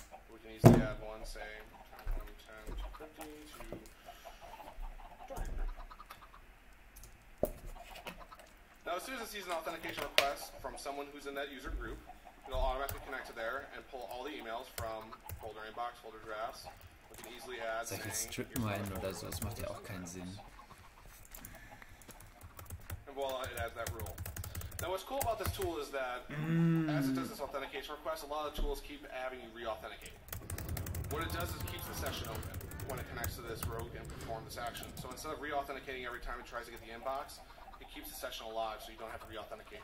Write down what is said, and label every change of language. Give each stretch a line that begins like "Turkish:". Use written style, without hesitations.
English: We can easily add one, say, 10, 10, 10, 10 to target group. Now, as soon as it sees an authentication request from someone who's in that user group, it'll automatically connect to there and pull all the emails from folder inbox, folder drafts. We can easily add.
German: Sag jetzt Strip Mine oder so, das macht ja auch keinen Sinn.
English: And voila, it adds that rule. Now, what's cool about this tool is that as it does this authentication request, a lot of the tools keep having you re-authenticate. What it does is it keeps the session open when it connects to this rogue and perform this action. So instead of re-authenticating every time it tries to get the inbox, it keeps the session alive, so you don't have to re-authenticate.